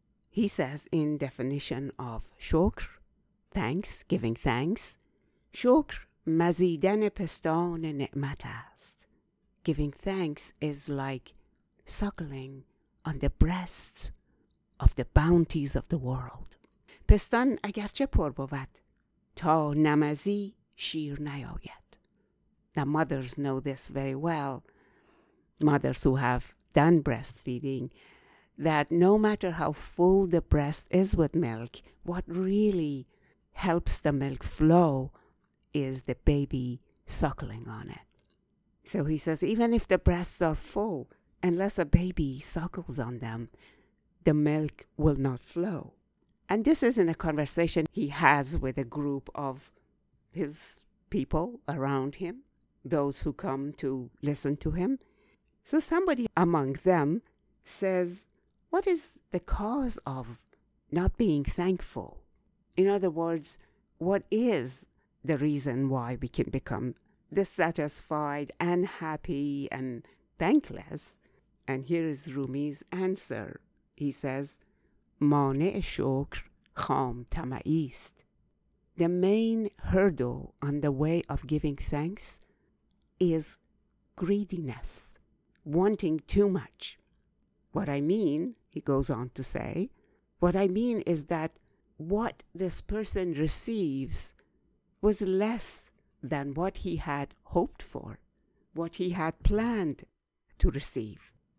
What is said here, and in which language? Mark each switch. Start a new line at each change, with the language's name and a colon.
English: He says in definition of shukr, thanks, giving thanks,
Persian: shukr mazidan pistan ne'mat ast.
English: Giving thanks is like suckling on the breasts of the bounties of the world.
Persian: پستان اگرچه پر بود تا نمزی شیر نیاید.
English: Now mothers know this very well, mothers who have done breastfeeding, that no matter how full the breast is with milk, what really helps the milk flow is the baby suckling on it. So he says, even if the breasts are full, unless a baby suckles on them, the milk will not flow. And this is in a conversation he has with a group of his people around him, those who come to listen to him. So somebody among them says, what is the cause of not being thankful? In other words, what is the reason why we can become dissatisfied and happy and thankless? And here is Rumi's answer. He says,
Persian: مانع شکر خام طمعی است.
English: The main hurdle on the way of giving thanks is greediness, wanting too much. What I mean, he goes on to say, what I mean is that what this person receives was less than what he had hoped for, what he had planned to receive.